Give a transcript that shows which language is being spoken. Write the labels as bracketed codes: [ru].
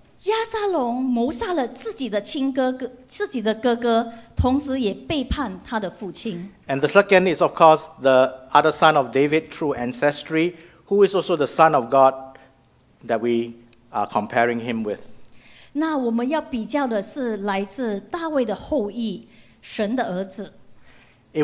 [zh] 亚沙龙谋杀了自己的亲哥哥，自己的哥哥，同时也背叛他的父亲。 [en] And the second is, of course, the other son of David through ancestry, who is also the son of God that we are comparing him with. [zh] 那我们要比较的是来自大卫的后裔，神的儿子。 [en] A